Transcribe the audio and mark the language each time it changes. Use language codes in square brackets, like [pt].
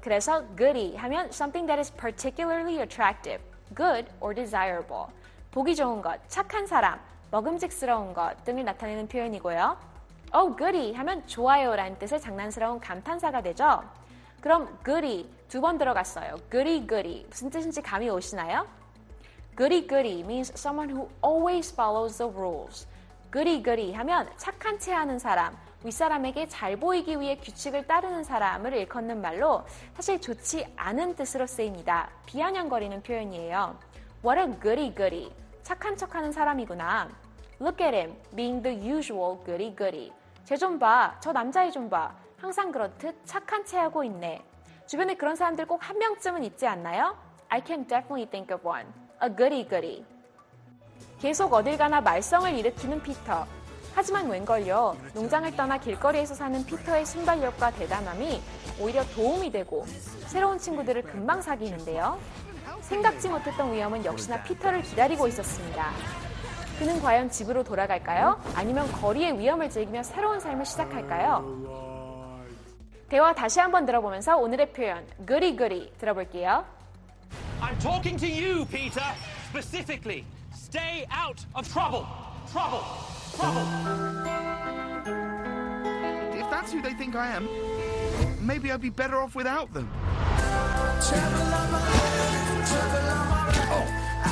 [ko] 그래서 [en] goody [ko] 하면 [en] something that is particularly attractive, good or desirable. [ko] 보기 좋은 것, 착한 사람, 먹음직스러운 것 등을 나타내는 표현이고요. [en] Oh, goody [ko] 하면 좋아요라는 뜻의 장난스러운 감탄사가 되죠. 그럼 goody 두 번 들어갔어요. goody goody 무슨 뜻인지 감이 오시나요? [en] goody goody means someone who always follows the rules. [ko] goody goody 하면 착한 체 하는 사람, 윗사람에게 잘 보이기 위해 규칙을 따르는 사람을 일컫는 말로 사실 좋지 않은 뜻으로 쓰입니다. 비아냥거리는 표현이에요. [en] What a goody goody. [ko] 착한 척 하는 사람이구나. [en] Look at him being the usual goody goody. [ko] 쟤 좀 봐. 저 남자애 좀 봐. 항상 그렇듯 착한 체 하고 있네. 주변에 그런 사람들 꼭 한 명쯤은 있지 않나요? [en] I can definitely think of one. A goody-goody. [ko] 계속 어딜 가나 말썽을 일으키는 피터. 하지만 웬걸요. 농장을 떠나 길거리에서 사는 피터의 순발력과 대담함이 오히려 도움이 되고 새로운 친구들을 금방 사귀는데요. 생각지 못했던 위험은 역시나 피터를 기다리고 있었습니다. 그는 과연 집으로 돌아갈까요? 아니면 거리의 위험을 즐기며 새로운 삶을 시작할까요? 대화 다시 한번 들어보면서 오늘의 표현 goody-goody 들어볼게요. [en] I'm talking to you, Peter. Specifically, stay out of trouble. Trouble. Trouble. If that's who they think I am, maybe I'd be better off without them. Trouble on my head, trouble on my head. Oh.